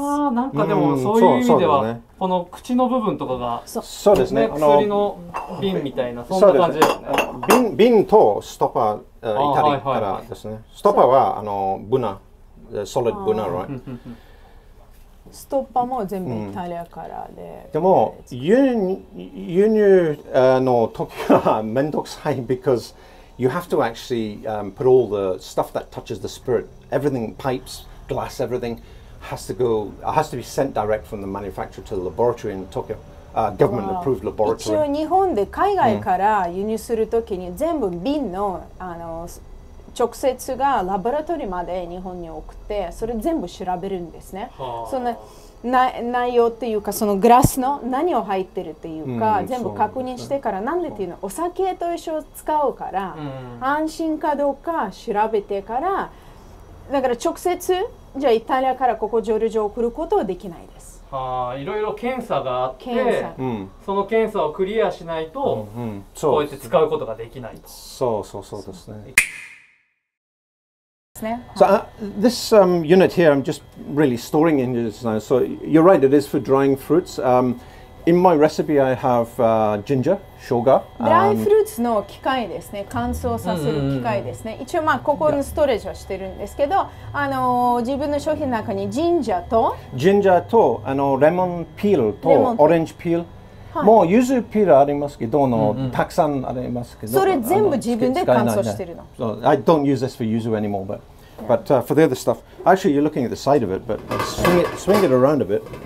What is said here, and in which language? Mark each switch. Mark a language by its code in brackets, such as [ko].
[ja] ああ、なんかでもそういう意味では、うん、そうね、この口の部分とかが、そうですね、薬の瓶みたいな、そんな感じですね。瓶とストッパー、イタリアからですね。はいはい、ストッパーはあのブナ、ソリッドブナ、right? ストッパーも全部イタリアからで。うん、でも、輸入の時はめんどくさい、 [en] because you have to actually、put all the stuff that touches the spirit, everything, pipes, glass, everything, has to be sent direct from the manufacturer to the laboratory in Tokyo. Government approved laboratory. [ja] 一応日本で海外から輸入するときに全部瓶 の、うん、あの直接がラボラトリーまで日本に送ってそれ全部調べるんですね。その内容っていうかそのグラスの何を入ってるっていうか、うん、全部確認してから、なんでっていうのお酒と一緒使うから、うん、安心かどうか調べてから、だから直接じゃあイタリアからここジョルジョ送ることはできないです。いろいろ検査があって、その検査をクリアしないと、うんうん、そうこうやって使うことができないと。そうそうそうですね。ですね。 [en] So this unit here, I'm just really storing in this now. So you're right, it is for drying fruits. In my recipe, I have ginger, sugar. [ja] ドライフルーツの機械ですね。乾燥させる機械ですね。一応、まあ、ここにストレージをしてるんですけど、自分の商品の中にジンジャーと、レモンピールとオレンジピール。はい、もう、ユズピールありますけど、うんうん、たくさんありますけど。それ全部自分で乾燥してるの。 [en] So, I don't use this for yuzu anymore, but, but for the other stuff. Actually, you're looking at the side of it, but swing it around a bit.